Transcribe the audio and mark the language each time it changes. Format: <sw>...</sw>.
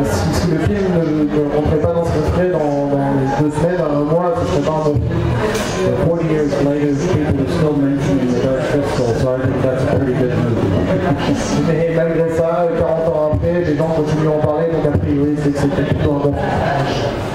<fr>Si le film ne rentrait pas dans ses frais dans les 2 semaines, dans un mois, ce serait pas un bon film.</fr> <en>40 years later, people are still mentioning the Dark Crystal, so I think that's a pretty good movie.</en> <fr>Mais malgré ça, 40 ans après, les gens continuent à en parler, donc a priori, c'est plutôt un bon film.</fr>